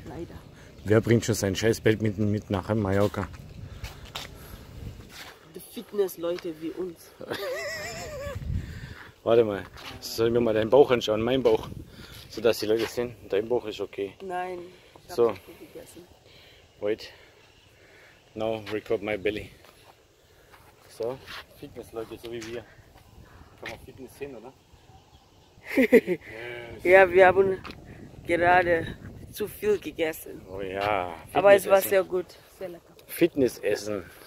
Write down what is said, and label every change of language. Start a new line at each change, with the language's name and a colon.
German: Leider. Wer bringt schon sein scheiß Badminton mit nach Mallorca? Fitnessleute wie uns. Warte mal, soll ich mir mal deinen Bauch anschauen, mein Bauch, so dass die Leute sehen, dein Bauch ist okay. Nein, ich so.
English: Wait, now record my belly.
German: So, Fitnessleute, so wie wir. Kann man Fitness sehen, oder? Ja, wir haben gerade zu viel gegessen. Oh ja, aber es war sehr gut. Sehr lecker. Fitnessessen.